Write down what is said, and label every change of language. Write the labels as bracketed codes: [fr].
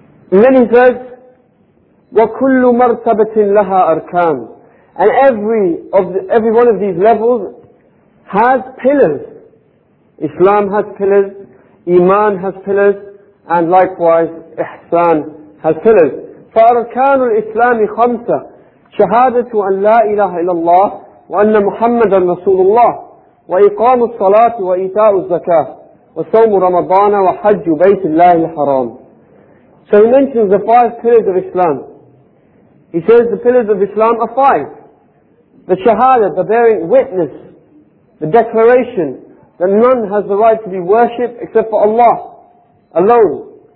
[en] And then he says, [ar] وَكُلُّ مَرْتَبَةٍ لَهَا أَرْكَانٍ. [en] And every one of these levels has pillars. Islam has pillars, Iman has pillars, and likewise Ihsan has pillars. [ar] فَأَرْكَانُ الْإِسْلَامِ خَمْسَةً. شهادة أن لا إله إلا الله وأن محمدا رسول الله وإقام الصلاة وإيتاء الزكاة وصوم رمضان وحج بيت الله الحرام. [en] So he mentions the five pillars of Islam. He says the pillars of Islam are five: the shahada, the bearing witness, the declaration that none has the right to be worshipped except for Allah alone,